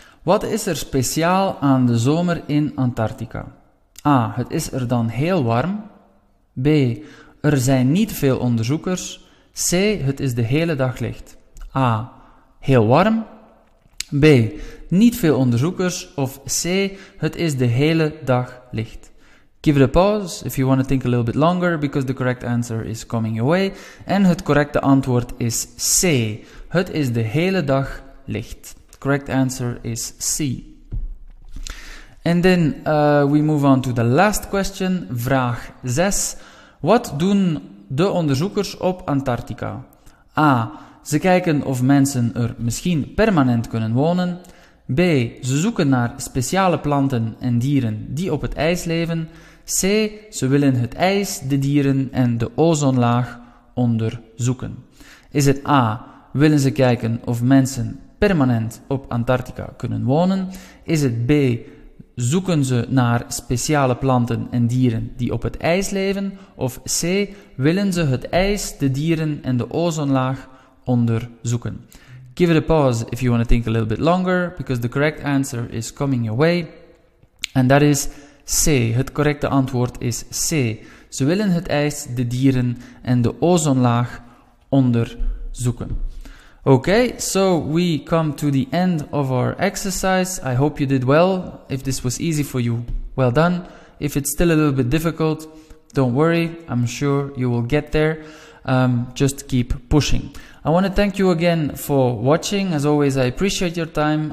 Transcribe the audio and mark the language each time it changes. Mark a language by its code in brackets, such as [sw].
[nl] Wat is er speciaal aan de zomer in Antarctica? A. Het is er dan heel warm. B. Er zijn niet veel onderzoekers. C. Het is de hele dag licht. A. Heel warm. B. Niet veel onderzoekers. Of C. Het is de hele dag licht. [en] Give it a pause if you want to think a little bit longer, because the correct answer is coming your way. [nl] En het correcte antwoord is C. Het is de hele dag licht. [en] Correct answer is C. [nl] En dan [en] we move on to the last question, [nl] vraag 6. Wat doen de onderzoekers op Antarctica? A. Ze kijken of mensen er misschien permanent kunnen wonen. B. Ze zoeken naar speciale planten en dieren die op het ijs leven. C. Ze willen het ijs, de dieren en de ozonlaag onderzoeken. Is het A. Willen ze kijken of mensen permanent op Antarctica kunnen wonen? Is het B. Zoeken ze naar speciale planten en dieren die op het ijs leven? Of C. Willen ze het ijs, de dieren en de ozonlaag onderzoeken? [en] Give it a pause if you want to think a little bit longer, because the correct answer is coming your way. And that is C. [nl] Het correcte antwoord is C. Ze willen het ijs, de dieren en de ozonlaag onderzoeken. [en] Okay, so we come to the end of our exercise. I hope you did well. If this was easy for you, well done. If it's still a little bit difficult, don't worry. I'm sure you will get there. Just keep pushing. I want to thank you again for watching. As always, I appreciate your time.